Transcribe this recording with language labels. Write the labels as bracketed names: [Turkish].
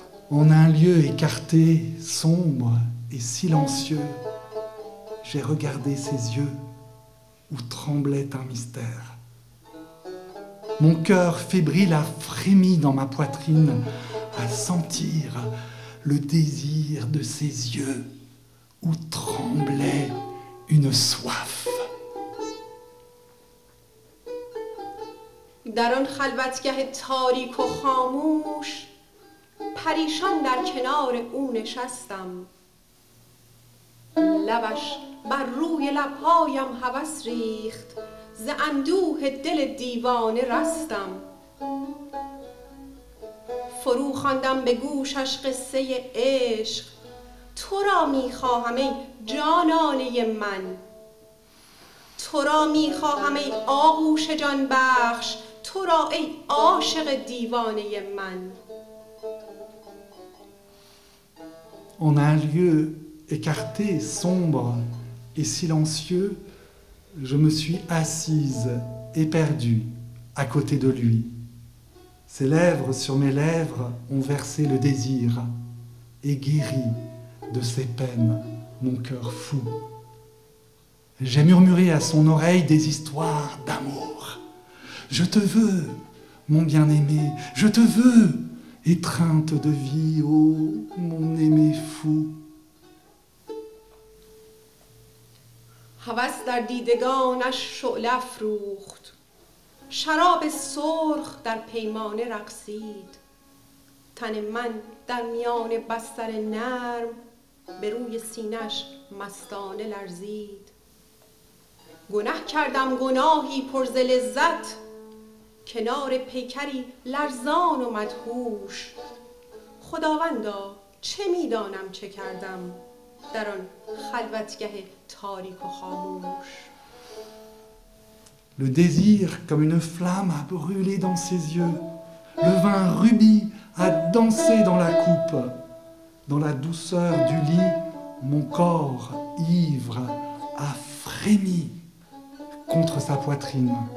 [French] En un lieu écarté, sombre et silencieux, j'ai regardé ses yeux où tremblait un mystère. Mon cœur fébrile a frémi dans ma poitrine à sentir le désir de ses yeux où tremblait une soif. [Persian] در آن خلوتگه تاریک و خاموش پریشان در کنار او نشستم لبش بر روی لبهایم هوس ریخت ز اندوه دل دیوانه رستم فرو خواندم به گوشش قصه عشق تو را می خواهم ای جانانه من تو را می خواهم ای آغوش جان بخش تو را ای عاشق دیوانه من [French] En un lieu écarté, sombre et silencieux, je me suis assise éperdue à côté de lui. Ses lèvres sur mes lèvres ont versé le désir et guéri de ses peines mon cœur fou. J'ai murmuré à son oreille des histoires d'amour. Je te veux, mon bien-aimé, je te veux! Étreinte de vie, ô mon aimé fou. [Persian] هوس در دیدگانش شعله افروخت شراب سرخ در پیمانه رقصید تن من در میان بستر نرم به روی سینه‌اش مستانه لرزید گناه کردم گناهی پر ز لذت کنار پیکری لرزان و مدهوش خداوندا چه میدانم چه کردم در آن خلوتگه تاریک و خاموش [French] le désir comme une flamme a brûlé dans ses yeux. Le vin rubis a dansé dans la coupe. Dans la douceur du lit, mon corps ivre a frémi contre sa poitrine.